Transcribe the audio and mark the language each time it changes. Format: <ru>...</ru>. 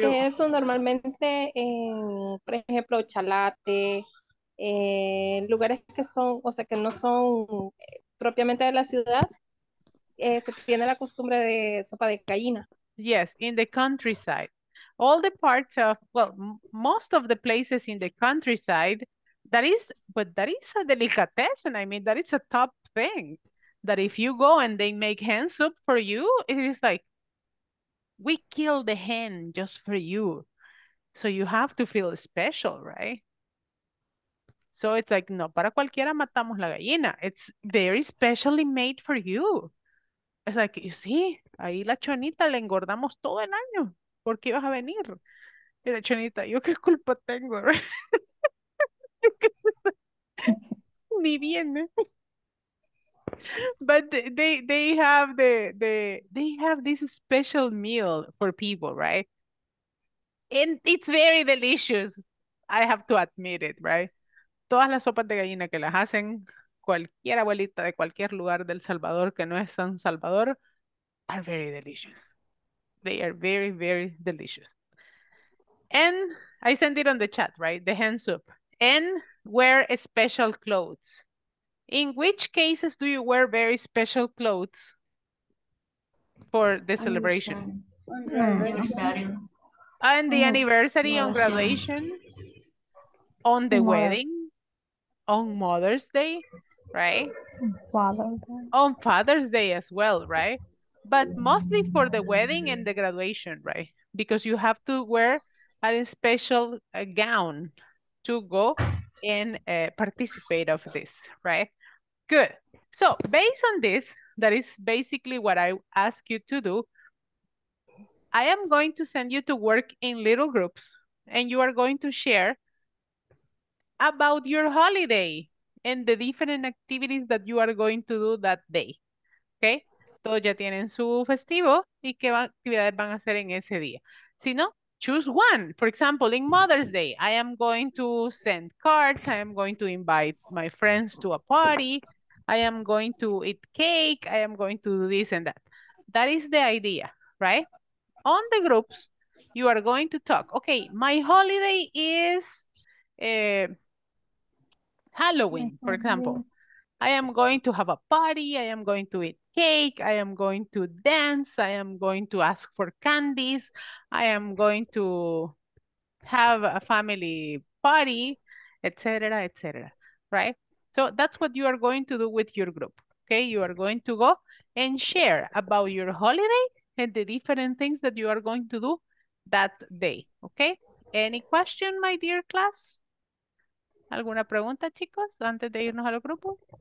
<es>Que eso normalmente, por ejemplo, Chalate, lugares que son, o sea, que no son propiamente de la ciudad, se tiene la costumbre de sopa de gallina.</es> <en>Yes, in the countryside. All the parts of, well, most of the places in the countryside, that is a delicatessen. I mean, that is a top thing. That if you go and they make hen soup for you, it is like, we kill the hen just for you. So you have to feel special, right? So it's like,</en> <es>no, para cualquiera matamos la gallina.</es> <en>It's very specially made for you. It's like, you see,</en> <es>ahí la chonita la engordamos todo el año. ¿Por qué ibas a venir? Y la chonita, ¿yo qué culpa tengo? Ni viene.</es> <en>But they have this special meal for people, right? And it's very delicious. I have to admit it, right?</en> <es>Todas las sopas de gallina que las hacen, cualquier abuelita de cualquier lugar del Salvador que no es San Salvador,</es> <en>are very delicious. They are very, very delicious. And I sent it on the chat, right? The hen soup. And wear special clothes. In which cases do you wear very special clothes for the celebration?</en> <es>Aniversario.</es> <en>And the anniversary, on graduation, on the wedding, on Mother's Day, right? Father's Day. On Father's Day as well, right? But mostly for the wedding and the graduation, right? Because you have to wear a special gown to go and participate of this, right? Good. So based on this, that is basically what I ask you to do. I am going to send you to work in little groups and you are going to share about your holiday and the different activities that you are going to do that day, okay?</en> <es>Todos ya tienen su festivo y qué actividades van a hacer en ese día. Si no,</es> <en>choose one. For example, in Mother's Day, I am going to send cards. I am going to invite my friends to a party. I am going to eat cake. I am going to do this and that. That is the idea, right? On the groups, you are going to talk. Okay, my holiday is Halloween, for example. I am going to have a party. I am going to eat cake. I am going to dance. I am going to ask for candies. I am going to have a family party, etc., etc., right? So that's what you are going to do with your group, okay? You are going to go and share about your holiday and the different things that you are going to do that day, okay? Any question, my dear class?</en> <es>¿Alguna pregunta, chicos, antes de irnos a los grupos?</es>